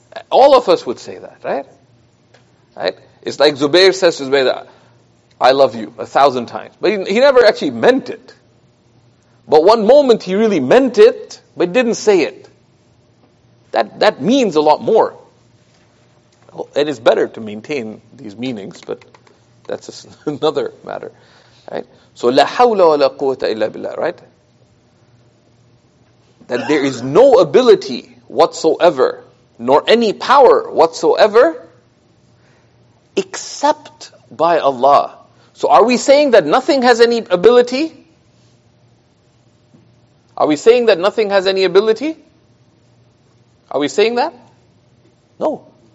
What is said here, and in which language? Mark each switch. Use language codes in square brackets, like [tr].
[en] All of us would say that, right? Right? It's like Zubair says to Zubair, I love you 1,000 times. But he never actually meant it. But one moment he really meant it, but didn't say it. That means a lot more. It is better to maintain these meanings, but that's another matter. Right? So, [ar] لا حول ولا قوة إلا بالله, [en] right? That there is no ability whatsoever, nor any power whatsoever, except by Allah. So are we saying that nothing has any ability? Are we saying that nothing has any ability? Are we saying that? No.